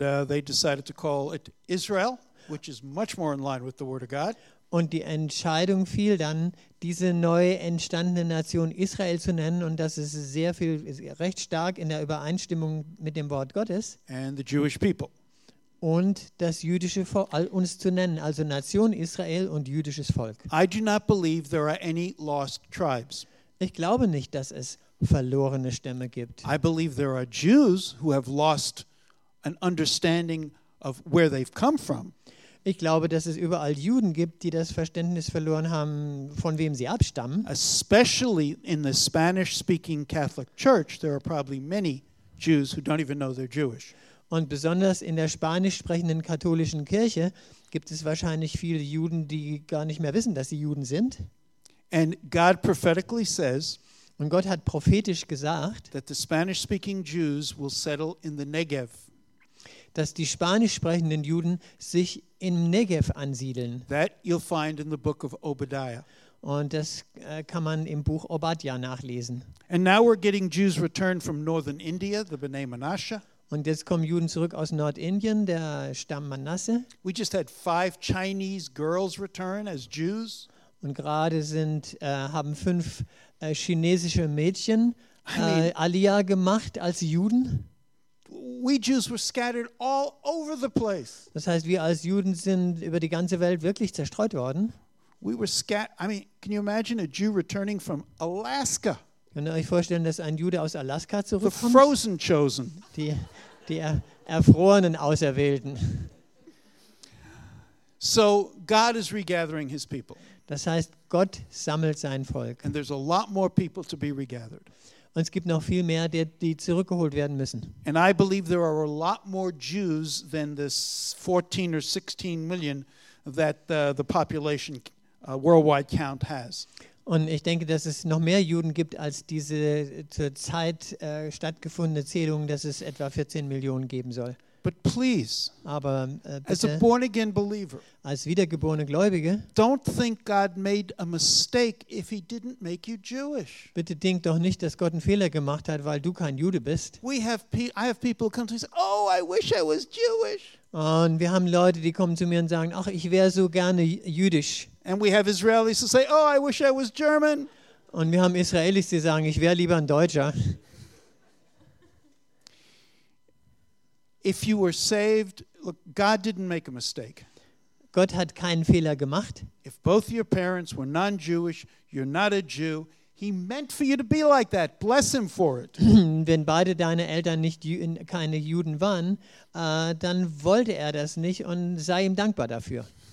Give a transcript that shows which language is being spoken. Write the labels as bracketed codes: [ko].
[en] And they decided to call it Israel, which is much more in line with the word of God. [de] Und die Entscheidung fiel dann, diese neu entstandene Nation Israel zu nennen, und das ist sehr viel, recht stark in der Übereinstimmung mit dem Wort Gottes. [en] And the Jewish people. [de] Und das jüdische Volk, all uns zu nennen, also Nation Israel und jüdisches Volk. [en] I do not believe there are any lost tribes. [de] Ich glaube nicht, dass es verlorene Stämme gibt. [en] I believe there are Jews who have lost an understanding of where they've come from. [de] Ich glaube, dass es überall Juden gibt, die das Verständnis verloren haben, von wem sie abstammen. [en] Especially in the Spanish-speaking Catholic Church, there are probably many Jews who don't even know they're Jewish. [de] Und besonders in der spanisch sprechenden katholischen Kirche gibt es wahrscheinlich viele Juden, die gar nicht mehr wissen, dass sie Juden sind. [en] And God prophetically says, [de] und Gott hat prophetisch gesagt, [en] that the Spanish-speaking Jews will settle in the Negev. [de] Dass die spanisch sprechenden Juden sich im Negev ansiedeln. [en] That you'll find in the book of Obadiah. [de] Und das kann man im Buch Obadiah nachlesen. [en] And now we're getting Jews returned from northern India, the B'nai Manasseh. [de] Und jetzt kommen Juden zurück aus Nordindien, der Stamm Manasse. [en] We just had 5 Chinese girls return as Jews. [de] Und gerade haben 5 chinesische Mädchen Aliyah gemacht als Juden. [en] We Jews were scattered all over the place. [de] Das heißt, wir als Juden sind über die ganze Welt wirklich zerstreut worden. [en] We were scattered. I mean, can you imagine a Jew returning from Alaska? [de] Könnt ihr euch vorstellen, dass ein Jude aus Alaska zurückkommt? [en] The frozen chosen. [de] Die erfrorenen Auserwählten. [en] So God is regathering his people. [de] Das heißt, Gott sammelt sein Volk. [en] And there's a lot more people to be regathered. [de] Und es gibt noch viel mehr, die zurückgeholt werden müssen. [en] And I believe there are a lot more Jews than this 14 or 16 million that the population worldwide count has. [de] Und ich denke, dass es noch mehr Juden gibt als diese zurzeit stattgefundene Zählung, dass es etwa 14 Millionen geben soll. [en] But please, [de] aber bitte, [en] as a born again believer, [de] als wiedergeborene Gläubige, [en] don't think God made a mistake if he didn't make you Jewish. [de] Bitte denk doch nicht, dass Gott einen Fehler gemacht hat, weil du kein Jude bist. [en] I have people come to me and say, "Oh, I wish I was Jewish." [de] Und wir haben Leute, die kommen zu mir und sagen, ach, ich wäre so gerne jüdisch. [en] And we have Israelis who say, "Oh, I wish I was German." [de] Und wir haben Israelis, die sagen, ich wäre lieber ein Deutscher. [en] If you were saved, look, God didn't make a mistake. [de] Gott hat keinen Fehler gemacht. [en] If both your parents were non-Jewish, you're not a Jew. He meant for you to be like that. Bless him for it. [de] Wenn beide deine Eltern keine Juden waren, dann wollte er das nicht und sei ihm dankbar dafür.